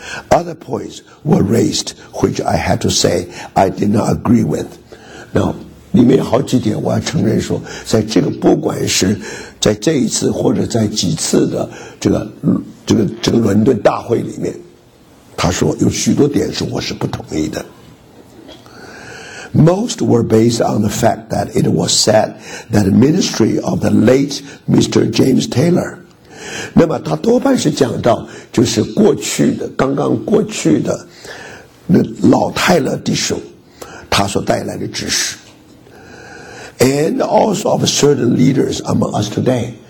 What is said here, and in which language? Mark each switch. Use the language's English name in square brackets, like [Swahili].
[English] Other points were raised, which I had to say I did not agree with. [Chinese] Now, 里面好几点，我要承认说，在这个不管是在这一次或者在几次的这个伦敦大会里面，他说有许多点是我是不同意的。 [English] Most were based on the fact that it was said that the ministry of the late Mr. James Taylor. [Chinese] 那么他多半是讲到就是过去的刚刚过去的那老泰勒弟兄他所带来的知识 [English] and also of certain leaders among us today